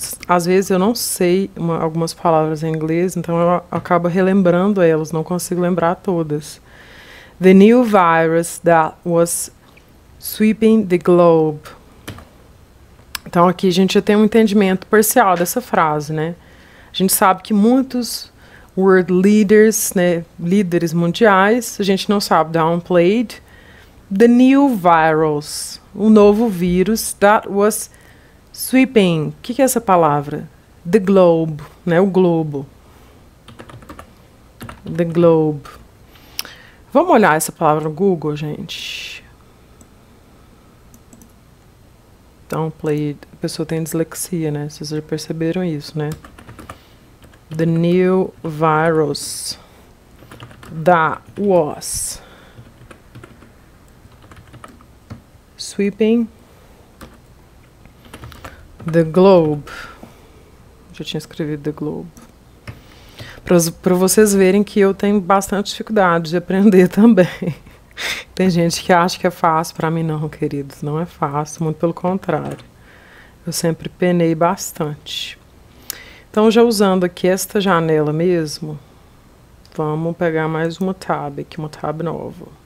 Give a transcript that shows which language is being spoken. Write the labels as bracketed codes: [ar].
[pt] Às vezes eu não sei algumas palavras em inglês, então eu acabo relembrando elas, não consigo lembrar todas. [en] The new virus that was sweeping the globe. [pt] Então aqui a gente já tem um entendimento parcial dessa frase, né? A gente sabe que muitos [en] world leaders, [pt] né, líderes mundiais, a gente não sabe downplayed. [en] The new virus, [pt] o novo vírus [en] that was sweeping. [pt] O que é essa palavra? [en] The globe, né? [pt] O globo. [en] The globe. [pt] Vamos olhar essa palavra no Google, gente. Downplayed. A pessoa tem dislexia, né? Vocês já perceberam isso, né? [en] The new virus that was sweeping the globe. [pt] Já tinha escrevido [en] the globe. [pt] Para vocês verem que eu tenho bastante dificuldade de aprender também. Tem gente que acha que é fácil, para mim não, queridos. Não é fácil, muito pelo contrário. Eu sempre penei bastante. Então, já usando aqui esta janela mesmo, vamos pegar mais uma tab aqui, uma tab nova.